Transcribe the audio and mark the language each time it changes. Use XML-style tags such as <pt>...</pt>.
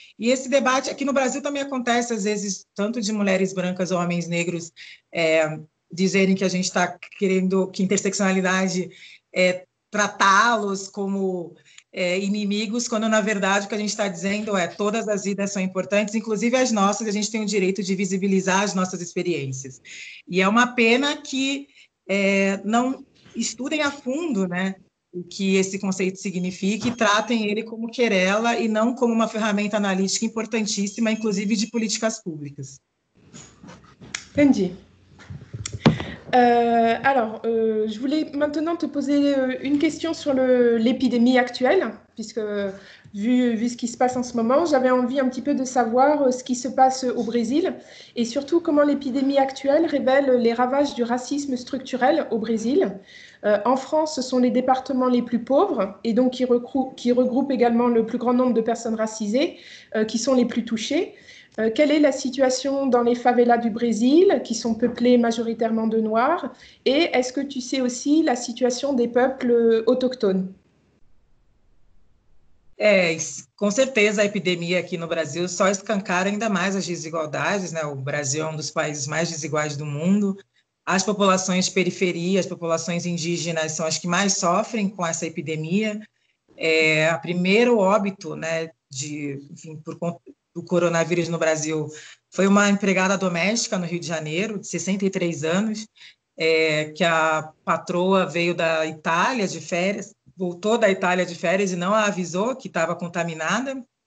<pt>E esse debate aqui no Brasil também acontece, às vezes, tanto de mulheres brancas ou homens negros dizerem que a gente está querendo que interseccionalidade tratá-los como inimigos, quando, na verdade, o que a gente está dizendo é todas as vidas são importantes, inclusive as nossas, a gente tem o direito de visibilizar as nossas experiências. E é uma pena que não estudem a fundo, né, o que esse conceito significa e tratem ele como querela e não como uma ferramenta analítica importantíssima, inclusive de políticas públicas. Entendi.</pt> <fr>Alors, je voulais maintenant te poser une question sur l'épidémie actuelle, puisque vu ce qui se passe en ce moment, j'avais envie un petit peu de savoir ce qui se passe au Brésil et surtout comment l'épidémie actuelle révèle les ravages du racisme structurel au Brésil. En France, ce sont les départements les plus pauvres et donc qui regroupent également le plus grand nombre de personnes racisées qui sont les plus touchées. Quelle est la situation dans les favelas du Brésil, qui sont peuplées majoritairement de Noirs? Et est-ce que tu sais aussi la situation des peuples autochtones?</fr> <pt>Com certeza, a epidemia aqui no Brasil só escancara ainda mais as desigualdades, né? O Brasil é um dos países mais desiguais do mundo. As populações de periferia, as populações indígenas são as que mais sofrem com essa epidemia. O primeiro óbito, né, por conta do coronavírus no Brasil foi uma empregada doméstica no Rio de Janeiro, de 63 anos, que a patroa veio da Itália de férias, voltou da Itália de férias e não a avisou que estava contaminada.</pt>